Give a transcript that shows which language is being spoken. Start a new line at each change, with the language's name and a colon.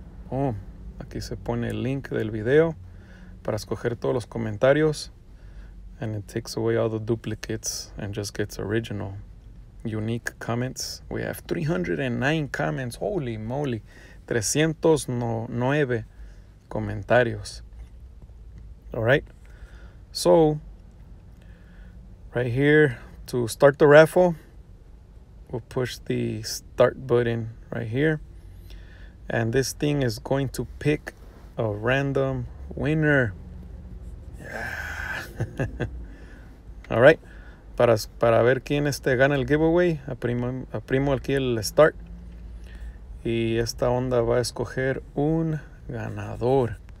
Spanish: Oh, aquí se pone el link del video para escoger todos los comentarios.
English: And it takes away all the duplicates and just gets original, unique comments. We have 309 comments. Holy moly.
Spanish: 309 comentarios.
English: All right. So, right here, to start the raffle, we'll push the start button right here. And this thing is going to pick a random winner.
Spanish: All right, para ver quién gana el giveaway, aprimo aquí el start y esta onda va a escoger un ganador.